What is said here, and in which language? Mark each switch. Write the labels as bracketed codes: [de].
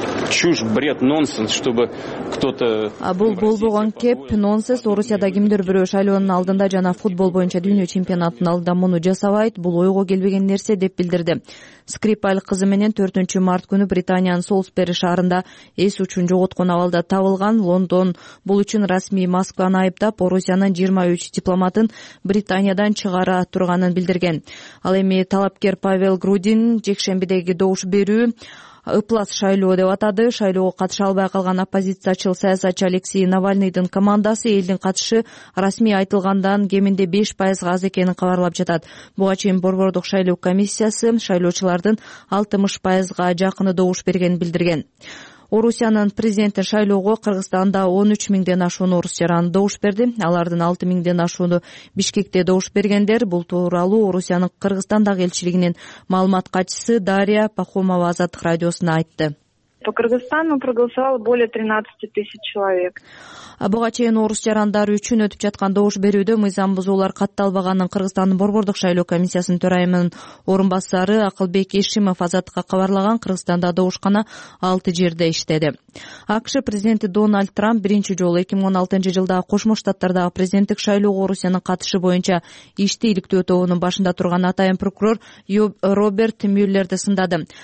[ru] чушь, бред, нонсенс, чтобы кто-то... [ky] А бул болбогон кеп, нонсенс. Орусияда кимдир бирөө шайлоонун алдында жана футбол боюнча дүйнө чемпионатынын алдында муну жасабайт, бул ойго келбеген нерсе деп билдирди. Скрипаль кызы менен 4 март күнү Британиянын Солсбери шаарында эс учун жоготкон абалда табылган. Лондон бул үчүн расмий Москваны айыптап, Орусиянын 23 дипломатын Британиядан чыгара турганын билдирген. Ал эми талапкер Павел Грудин жекшембидеги добуш берүү ыплас шайлоо деп атады. Шайлоого катыша албай калган оппозициячыл саясатчы Алексей Навальныйдын командасы элдин катышы расмий айтылгандан кеминде 5%га аз экенин кабарлап жатат. Буга чейин борбордук шайлоо комиссиясы шайлоочулардын 60%га жакыны добуш бергенин билдирген. Орусиянын президенти шайлоого Кыргызстанда 13 000 ашуун орус жараны добуш берди. Алардын 6 000 ашууну Бишкекте добуш бергендер. Бул тууралуу Орусиянын Кыргызстандагы элчилигинин маалымат катчысы Дарья Пахомова Азаттык радиосуна айтты. [ru] По Кыргызстану проголосовало более 13 000 человек. [ky] Буга чейин орус жарандары үчүн өтүп жаткан добуш берүүдө мыйзам бузуулар катталбаганын Кыргызстандын борбордук шайлоо комиссиясынын төрайымынын орун басары Акылбек Ишимов Азаттыкка кабарлаган. Кыргызстанда добушкана 6 жерде иштеди. АКШ президенти Дональд Трамп биринчи жолу 2016 жылда Кошмо Штаттардагы президенттик шайлоого Орусиянын катышы боюнча ишти иликтөө тобунун башында турган атайын прокурор Роберт Мюллерди сындады.